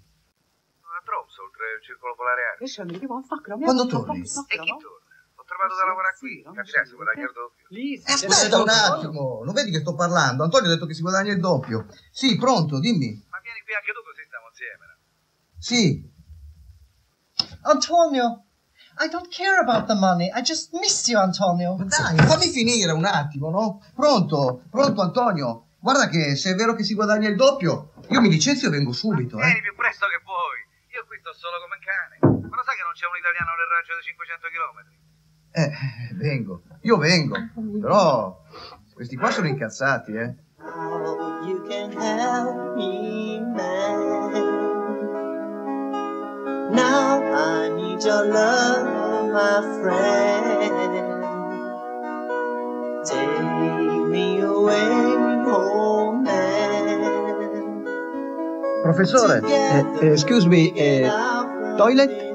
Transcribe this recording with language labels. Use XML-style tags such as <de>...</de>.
<it>A Troms, oltre il circolo polare Arctico. Quando torni? E chi torna? Ho trovato da lavorare qui, capirai se guadagni il doppio. Aspetta un attimo, non vedi che sto parlando? Antonio ha detto che si guadagna il doppio. Sì, pronto, dimmi. Ma vieni qui anche tu così stiamo insieme, no? Sì.</it> <en>Antonio, I don't care about the money. I just miss you, Antonio.</en> <it>Dai, fammi finire un attimo, no? Pronto, pronto, Antonio. Guarda che se è vero che si guadagna il doppio, io mi licenzio e vengo subito. Vieni più presto che vuoi. Io qui sto solo come un cane. Ma lo sai che non c'è un italiano nel raggio di 500 chilometri? Vengo. Io vengo. Però questi qua sono incazzati,</it> <en>Oh, you can help me, man. Now I need your love, my friend. Take me away, oh man. Professore, excuse me, toilet?</en>